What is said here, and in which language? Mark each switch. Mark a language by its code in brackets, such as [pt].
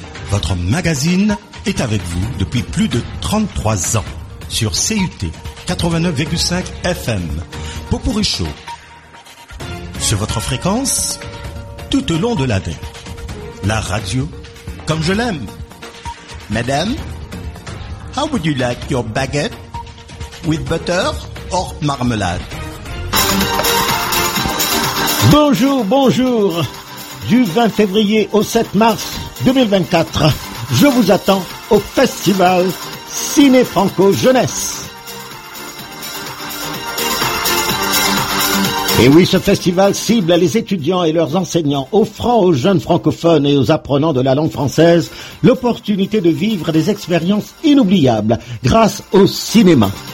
[fr] Votre magazine est avec vous depuis plus de 33 ans. Sur CUT 89,5 FM, Popourri Show, sur votre fréquence, tout au long de l'année, la radio, comme je l'aime. [en] Madame, how would you like your baguette, with butter or marmelade? [fr] Bonjour, bonjour, du 20 février au 7 mars 2024, je vous attends au festival Ciné Franco Jeunesse. Et oui, ce festival cible les étudiants et leurs enseignants, offrant aux jeunes francophones et aux apprenants de la langue française l'opportunité de vivre des expériences inoubliables grâce au cinéma.